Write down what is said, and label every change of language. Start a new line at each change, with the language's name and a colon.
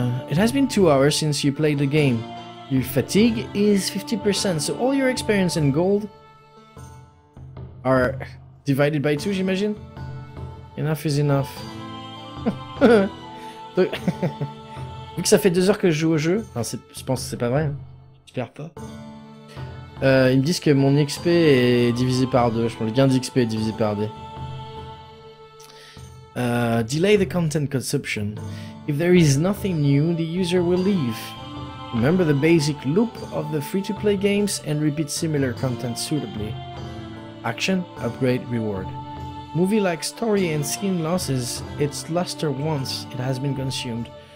English: It has been 2 hours since you played the game. Your fatigue is 50%, so all your experience and gold are divided by 2,
French: j'imagine.
English: Enough is enough.
French: Donc, vu que ça fait 2 heures que je joue au jeu, enfin, je pense que c'est pas vrai. J'espère pas. Ils me disent que mon XP est divisé par 2. Je pense le gain d'XP est divisé par 2.
English: Delay the content consumption. If there is nothing new, the user will leave. Remember the basic loop of the free-to-play games and repeat similar content suitably. Action, upgrade, reward. Movie-like story and skin losses its luster once it has been consumed.